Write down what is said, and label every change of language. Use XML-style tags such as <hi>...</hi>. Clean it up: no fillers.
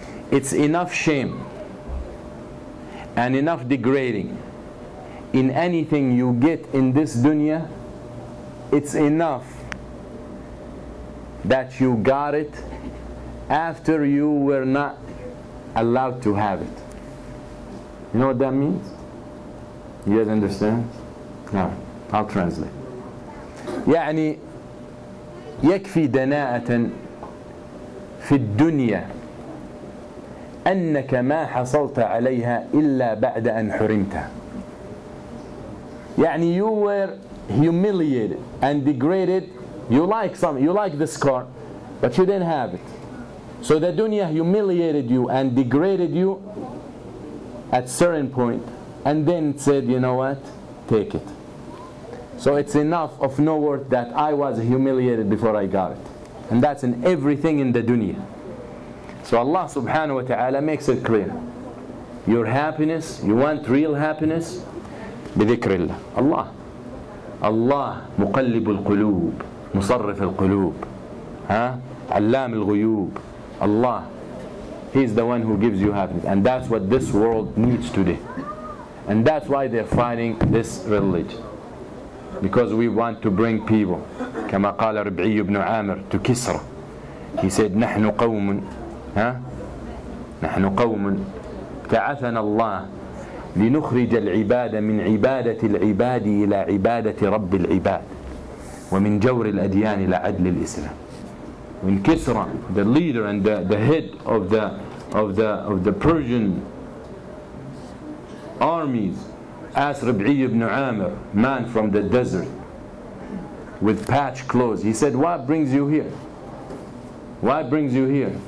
<en>It's enough shame and enough degrading in anything you get in this dunya. It's enough that you got it after you were not allowed to have it. You know what that means? You guys understand? No, I'll translate.</en> <ar>يعني يكفي دناءة في الدنيا أنك ما حصلت عليها إلا بعد أن حرمت.</ar> <en>يعني you were humiliated and degraded. You like something, you like this car, but you didn't have it. So the dunya humiliated you and degraded you at certain point, and then said, you know what, take it. So it's enough of no worth that I was humiliated before I got it. And that's in everything in the dunya. So Allah subhanahu wa ta'ala makes it clear. Your happiness, you want real happiness? Bidhikrillah. Allah.</en> <ar>Allah, muqallibu al-qulub, musarrif al-qulub, allam al-ghuyub.</ar> <en>Allah, He's the one who gives you happiness. And that's what this world needs today. And that's why they're fighting this religion. Because we want to bring people,</en> <ar>كما قال ربعي بن عامر,</ar> <en>to Kisra. He said,</en> <ar>نحن قوم, نحن قوم بتعثنا الله لنخرج العباد من عبادة العباد إلى عبادة رب العباد ومن جور الأديان إلى عدل الإسلام.</ar> <en>When Kisra, the leader and the head of the Persian armies, asked Rabi'i ibn Amr, man from the desert, with patched clothes, he said, what brings you here? What brings you here?</en>